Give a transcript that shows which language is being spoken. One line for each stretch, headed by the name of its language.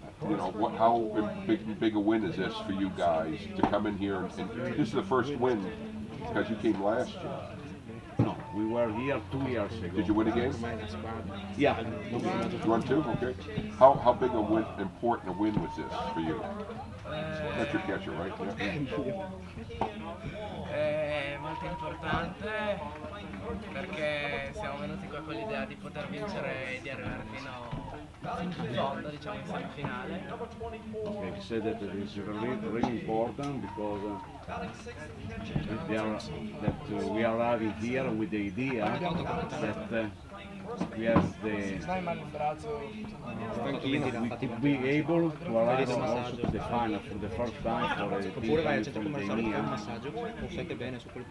English: You know, what, how big a win is this for you guys to come in here? And this is the first win because you came last year. No, we were here 2 years ago. Did you win a game? Yeah. You won two? Okay. How big a win, important a win was this for you? That's your catcher, right? Yeah.
Italian: Molto importante, perché siamo venuti qua con l'idea di poter vincere e di arrivare fino in fondo, diciamo, in semifinale.
English: Okay, he said that it is really, really important because we are arriving here with the idea that we have the possibility that we could be able to arrive also to the final for the first time for a team from the EMEA.